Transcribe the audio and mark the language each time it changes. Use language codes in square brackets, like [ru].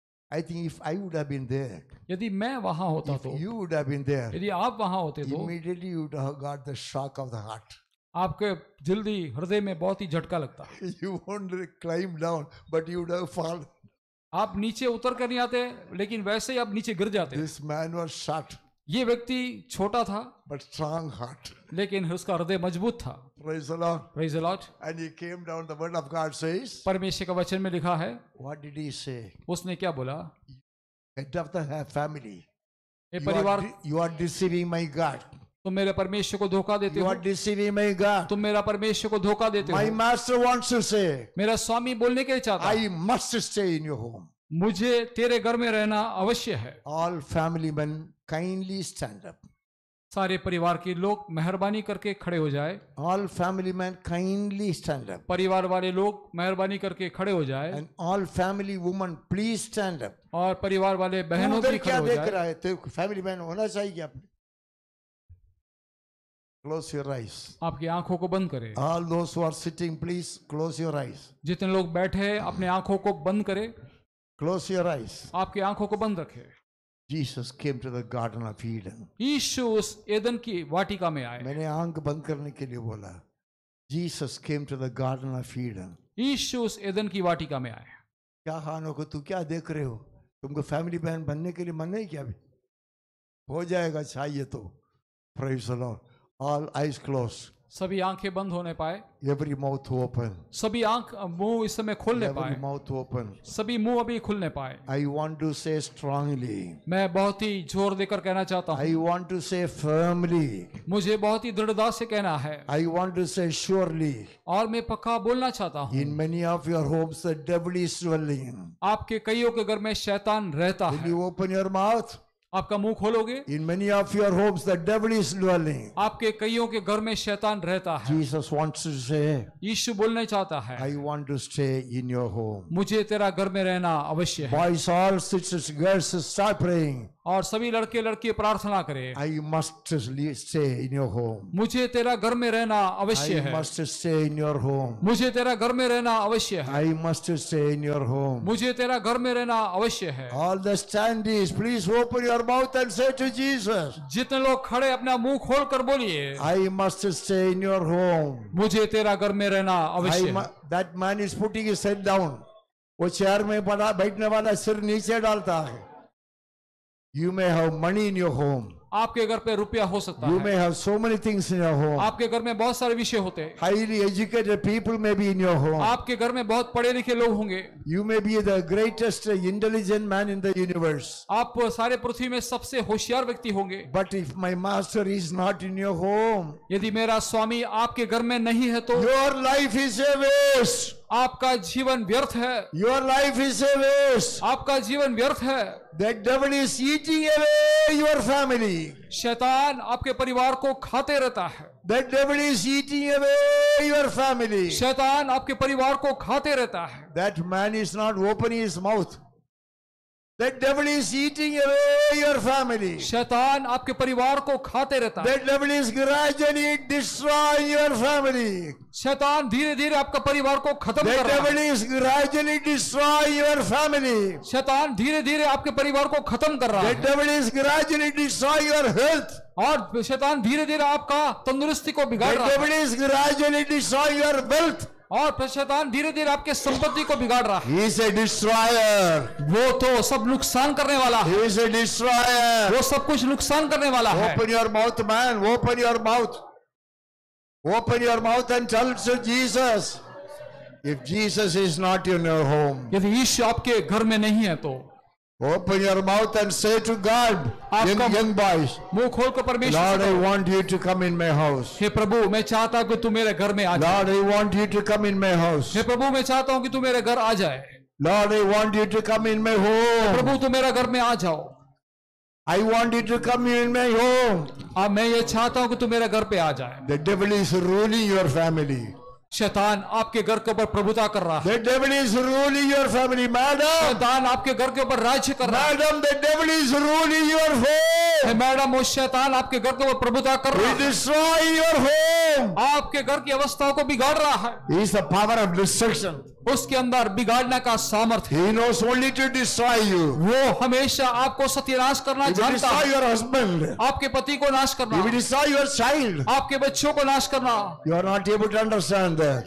[en] I think if I would have been there, [hi] यदि मैं वहाँ होता तो, [en] if you would have been there, [hi] यदि आप वहाँ होते तो, [en] immediately you would have got the shock of the heart. [hi] आपके जल्दी हृदय में बहुत ही झटका लगता. [en] You won't climb down, but you would have fallen. [hi] आप नीचे उतर कर नहीं आते, लेकिन वैसे ही आप नीचे गिर जाते. [en] This man was short. [hi] ये व्यक्ति छोटा था, [en] but strong heart. [hi] लेकिन उसका हृदय मजबूत था. [en] Praise the Lord. And he came down. The word of God says. [hi] परमेश्वर का वचन में लिखा है. [en] What did he say? [hi] उसने क्या बोला? [en] Head of the family. [hi] ये परिवार. [en] You are deceiving my God. [hi] तुम मेरे परमेश्वर को धोखा देते हो. [en] You are deceiving my God. [hi] तुम मेरा परमेश्वर को धोखा देते हो. [en] My master wants to say. [hi] मेरा स्वामी बोलने के लिए चाहता. [en] I must stay in your home. [hi] मुझे तेरे घर में रहना अवश्य है. [en] All family men kindly stand up. [hi] सारे परिवार के लोग मेहरबानी करके खड़े हो जाए. [en] All family men kindly stand up. [hi] परिवार वाले लोग मेहरबानी करके खड़े हो जाए. [en] And all family women please stand up. [hi] और परिवार वाले बहनों भी क्या देख रहा है? तो [en] family man [hi] होना चाहिए अपने. [en] Close your eyes. [hi] आपकी आंखों को बंद करें. [en] All those who are sitting, please close your eyes. [hi] जितने लोग बैठे हैं अपने आंखों को बंद करें. [en] Close your eyes. [hi] आपकी आंखों को बंद रखें. [en] Jesus came to the Garden of Eden. [hi] यीशु उस एदन की वाटिका में आए. मैंने आंख बंद करने के लिए बोला. [en] Jesus came to the Garden of Eden. [hi] यीशु उस एदन की वाटिका में आए. क्या हानों को तू क्या देख रहे हो? तुमको [en] family man [hi] बनने के लिए मन नहीं क्या? भी हो जाएगा चाहिए तो. [en] Praise the Lord. All eyes closed. [hi] सभी आंखें बंद होने पाए. [en] Every mouth open. [hi] सभी आंख मुंह इस समय खोलने पाए. [en] Every mouth open. [hi] सभी मुंह अभी खुलने पाए. [en] I want to say strongly. [hi] मैं बहुत ही जोर देकर कहना चाहता हूँ. [en] I want to say firmly. [hi] मुझे बहुत ही दृढ़ता से कहना है. [en] I want to say surely. [hi] और मैं पक्का बोलना चाहता हूँ. [en] In many of your homes the devil is dwelling. [hi] आपके कईयों के घर में शैतान रहता है. [en] Will you open your mouth? [hi] आपका मुंह खोलोगे? [en] In many of your homes the devil is dwelling. [hi] आपके कईयों के घर में शैतान रहता है. [en] Jesus wants to say. [hi] यीशु बोलने चाहता है. [en] I want to stay in your home. [hi] मुझे तेरा घर में रहना अवश्य है. [en] Boys all sisters girls start praying. [hi] और सभी लड़के लड़की प्रार्थना करें. [en] I must stay in your home. [hi] मुझे तेरा घर में रहना अवश्य है. [en] I must stay in your home. [hi] मुझे तेरा घर में रहना अवश्य है. [en] I must stay in your home. [hi] मुझे तेरा घर में रहना अवश्य है. [en] All the standees, please open your mouth and say to Jesus. [hi] जितने लोग खड़े अपना मुंह खोल कर बोलिए. [en] I must stay in your home. [hi] मुझे तेरा घर में रहना अवश्य है. [en] That man is putting his head down. [hi] वो चेयर में पड़ा बैठने वाला सिर नीचे डालता है. [en] You may have money in your home. [hi] आपके घर पे रुपया हो सकता है. [en] You may have so many things in your home. [hi] आपके घर में बहुत सारे विषय होते हैं. [en] Highly educated people may be in your home. [hi] आपके घर में बहुत पढ़े लिखे लोग होंगे. [en] You may be the greatest intelligent man in the universe. [hi] आप सारे पृथ्वी में सबसे होशियार व्यक्ति होंगे. [en] But if my master is not in your home, [hi] यदि मेरा स्वामी आपके घर में नहीं है तो, [en] your life is a waste. [hi] आपका जीवन व्यर्थ है. [en] Your life is a waste. [hi] आपका जीवन व्यर्थ है. [en] The devil is eating away your family. [hi] शैतान आपके परिवार को खाते रहता है. [en] The devil is eating away your family. [hi] शैतान आपके परिवार को खाते रहता है. [en] That man is not opening his mouth. The devil is eating away your family. [hi] शैतान आपके परिवार को खाते रहता है. [en] The devil is gradually destroying your family. [hi] शैतान धीरे धीरे आपका परिवार को खत्म कर रहा है. [en] The devil is gradually destroying your family. [hi] शैतान धीरे धीरे आपके परिवार को खत्म कर रहा है. [en] The devil is gradually destroying your health. [hi] और शैतान धीरे धीरे आपका तंदुरुस्ती को बिगाड़ रहा है. [en] The devil is gradually destroying your wealth. [hi] और शैतान धीरे धीरे आपके संपत्ति को बिगाड़ रहा है. [en] He is a destroyer. [hi] वो तो सब नुकसान करने वाला है. [en] He is a destroyer. [hi] वो सब कुछ नुकसान करने वाला है. [en] Open your mouth, man. Open your mouth. Open your mouth and tell to Jesus. If Jesus is not in your home. [hi] यदि यीशु आपके घर में नहीं है तो. [en] Open your mouth and say to God. Young boys. [hi] मुंह खोल कर परमेश्वर. [en] Lord, I want you to come in my house. [hi] हे प्रभु, मैं चाहता हूँ कि तू मेरे घर में आ जाए. [en] Lord, I want you to come in my house. [hi] हे प्रभु, मैं चाहता हूँ कि तू मेरे घर आ जाए. [en] Lord, I want you to come in my home. [hi] प्रभु, तू मेरे घर में आ जाओ. [en] I want you to come in my home. [hi] अब मैं ये चाहता हूँ कि तू मेरे घर पे आ जाए. [en] The devil is ruling your family. [hi] शैतान आपके घर के ऊपर प्रभुता कर रहा है। [en] The devil is ruling your family, madam. [hi] शैतान आपके घर के ऊपर राज्य कर रहा है। [en] Madam, the devil is ruling your home. [hi] Madam, उस शैतान आपके घर के ऊपर प्रभुता कर रहा है। [en] He destroy your home. [hi] आपके घर की अवस्था को बिगाड़ रहा है। [en] He is the power of destruction. [hi] उसके अंदर बिगाड़ने का सामर्थ्य। [en] He knows only to destroy you. [hi] वो हमेशा आपको सत्यानाश करना जानता है। [en] He destroy your husband. [hi] आपके पति को नाश करना। [en] He destroy your child. [hi] आपके बच्चों को नाश करना। [en] You are not able to understand that.